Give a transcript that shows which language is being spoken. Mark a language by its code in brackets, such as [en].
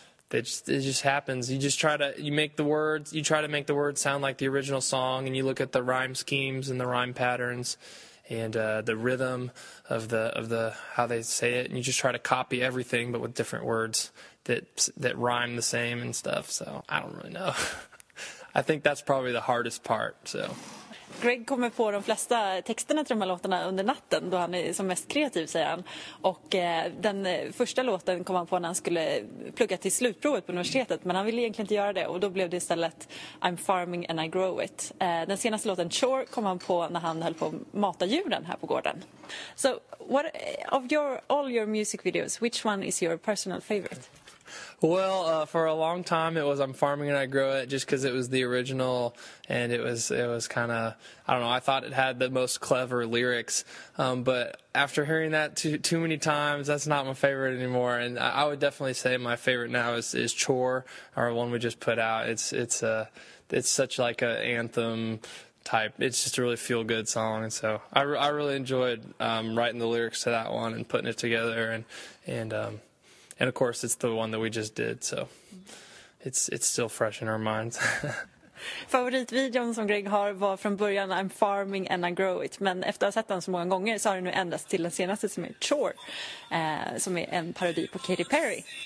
[en] It just happens. You try to make the words sound like the original song, and you look at the rhyme schemes and the rhyme patterns and the rhythm of the how they say it, and you just try to copy everything but with different words that rhyme the same and stuff. So I don't really know. I think that's probably the hardest part. So [sv] Greg kommer på de flesta texterna till de här låtarna under natten, då han är som mest kreativ, säger han. Och den första låten kom han på när han skulle plugga till slutprovet på universitetet, men han ville egentligen inte göra det, och då blev det istället I'm farming and I grow it. Den senaste låten, Chore, kom han på när han höll på att mata djuren här på gården. [en] So, what of all your music videos, which one is your personal favorite? Well, for a long time it was I'm Farming and I Grow It, just because it was the original, and it was kind of, I don't know, I thought it had the most clever lyrics, but after hearing that too many times, that's not my favorite anymore, and I would definitely say my favorite now is Chore, our one we just put out. It's such like an anthem type. It's just a really feel-good song. And so I really enjoyed writing the lyrics to that one and putting it together. And of course, it's the one that we just did. So it's still fresh in our minds. [sv] Favoritvideon som Greg har var från början I'm Farming and I Grow It, men efter att ha sett den så många gånger så har den nu ändrats till den senaste som är Chore, som är en parodi på Katy Perry.